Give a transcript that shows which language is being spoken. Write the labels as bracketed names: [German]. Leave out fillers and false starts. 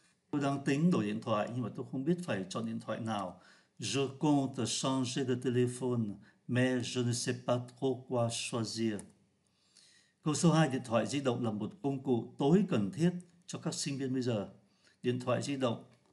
[Vietnamese] Tôi đang tính đổi điện thoại nhưng mà tôi không biết phải chọn điện thoại nào. [French] Je compte changer de téléphone, mais je ne sais pas trop quoi choisir. [Vietnamese] Câu số 2, điện thoại di động là một công cụ tối cần thiết cho các sinh viên bây giờ. Điện thoại di động.